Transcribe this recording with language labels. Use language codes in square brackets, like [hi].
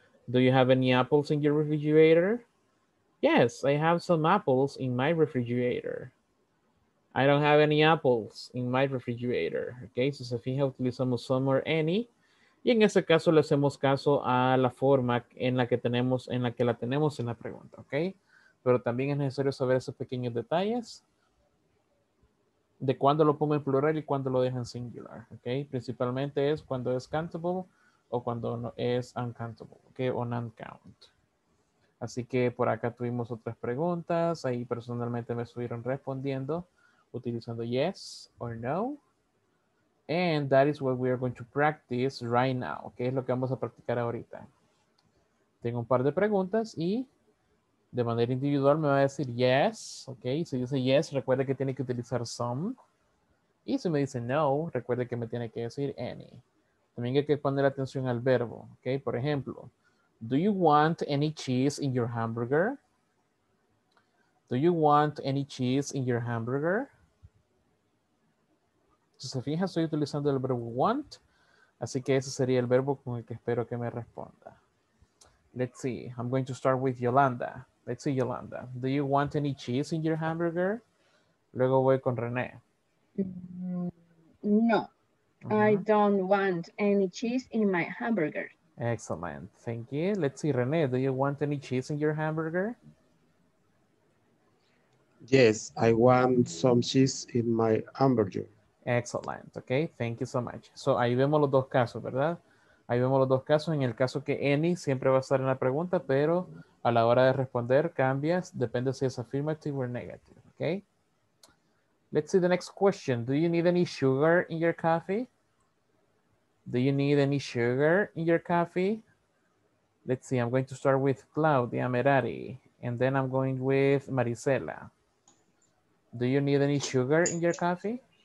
[en] Do you have any apples in your refrigerator? Yes, I have some apples in my refrigerator. I don't have any apples in my refrigerator. [es] Okay, si se fija, utilizamos [en] some or any. [es] Y en ese caso le hacemos caso a la forma en la que la tenemos en la pregunta. Okay, pero también es necesario saber esos pequeños detalles de cuándo lo pongo en plural y cuándo lo dejo en singular, ¿ok? Principalmente es cuando es countable o cuando no es uncountable, ¿ok? O non-count. Así que por acá tuvimos otras preguntas. Ahí personalmente me estuvieron respondiendo utilizando [en] yes or no. And that is what we are going to practice right now, ¿ok? [es] Es lo que vamos a practicar ahorita. Tengo un par de preguntas y de manera individual me va a decir yes, ok. Si dice yes, recuerde que tiene que utilizar some. Y si me dice no, recuerde que me tiene que decir any. También hay que poner atención al verbo, ok. Por ejemplo, [en] do you want any cheese in your hamburger? Do you want any cheese in your hamburger? [es] Si se fija, estoy utilizando el verbo want. Así que ese sería el verbo con el que espero que me responda. [en] Let's see. I'm going to start with Yolanda. Let's see, Yolanda. Do you want any cheese in your hamburger? [es] Luego voy con René. [en] No, I don't want any cheese in my hamburger. Excellent. Thank you. Let's see, René. Do you want any cheese in your hamburger? Yes, I want some cheese in my hamburger. Excellent. Okay, thank you so much. So, [es] ahí vemos los dos casos, ¿verdad? Ahí vemos los dos casos. En el caso que any siempre va a estar en la pregunta, pero a la hora de responder, cambias, depende si es [en] affirmative or negative, [es] ¿ok? [en] Let's see the next question. Do you need any sugar in your coffee? Do you need any sugar in your coffee? Let's see, I'm going to start with Claudia Merari, and then I'm going with Marisela. Do you need any sugar in your coffee?